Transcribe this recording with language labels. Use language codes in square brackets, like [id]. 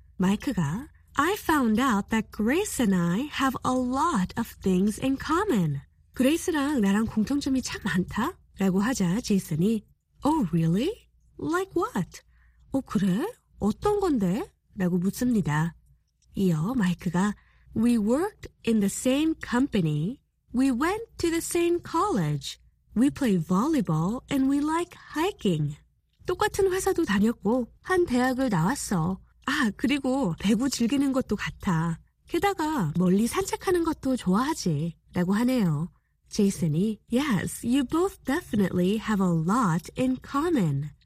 [ko] 마이크가 [en] I found out that Grace and I have a lot of things in common. [ko] 그레이스랑 나랑 공통점이 참 많다? 라고 하자 제이슨이 [en] Oh, really? Like what? [ko] 어, 그래? 어떤 건데? 라고 묻습니다. 이어 마이크가 [en] We worked in the same company. We went to the same college. We play volleyball and we like hiking. [ko] 똑같은 회사도 다녔고 한 대학을 나왔어. 아, 그리고 배구 즐기는 것도 같아. 게다가 멀리 산책하는 것도 좋아하지. 라고 하네요. 제이슨이 [en] Yes, you both definitely have a lot in common.